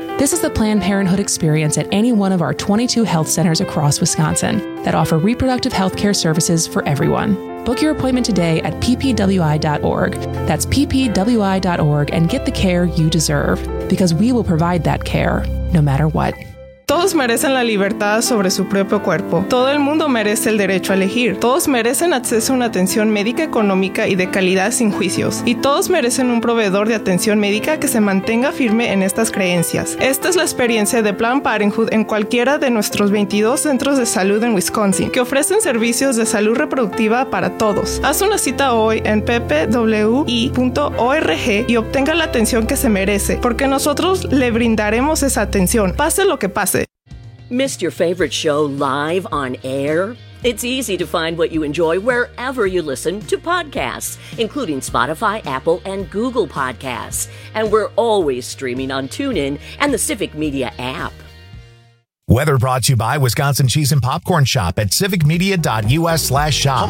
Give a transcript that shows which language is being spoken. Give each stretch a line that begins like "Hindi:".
English: This is the Planned Parenthood experience at any one of our 22 health centers across Wisconsin that offer reproductive health care services for everyone. Book your appointment today at ppwi.org. That's ppwi.org, and get the care you deserve, because we will provide that care no matter what.
Spanish: Todos merecen la libertad sobre su propio cuerpo. Todo el mundo merece el derecho a elegir. Todos merecen acceso a una atención médica económica y de calidad sin juicios. Y todos merecen un proveedor de atención médica que se mantenga firme en estas creencias. Esta es la experiencia de Planned Parenthood en cualquiera de nuestros 22 centros de salud en Wisconsin, que ofrecen servicios de salud reproductiva para todos. Haz una cita hoy en ppwi.org y obtenga la atención que se merece, porque nosotros le brindaremos esa atención, pase lo que pase.
English: Missed your favorite show live on air? It's easy to find what you enjoy wherever you listen to podcasts, including Spotify, Apple, and Google Podcasts. And we're always streaming on TuneIn and the Civic Media app. Weather brought to you by Wisconsin Cheese and Popcorn Shop at civicmedia.us/shop.